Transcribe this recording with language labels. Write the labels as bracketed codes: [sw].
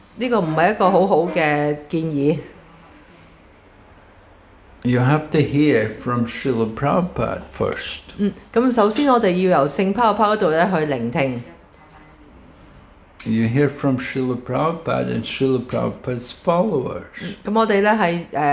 [zh] 这个不是一个很好的建议。 [en] You have to hear from Srila Prabhupada first. [zh] 首先我们要由圣帕帕那里去聆听。 [en] You hear from Srila Prabhupada and Srila Prabhupada's followers.